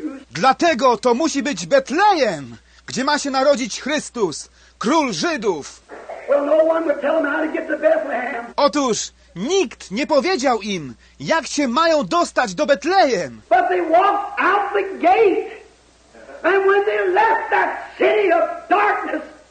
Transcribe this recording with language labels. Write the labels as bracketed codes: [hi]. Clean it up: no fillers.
[pl] Dlatego to musi być Betlejem, gdzie ma się narodzić Chrystus, król Żydów. [en] Well, no one would tell them how to get to Bethlehem. [pl] Otóż nikt nie powiedział im, jak się mają dostać do Betlejem. [en] But they walked out the gate. And when they left that city of darkness,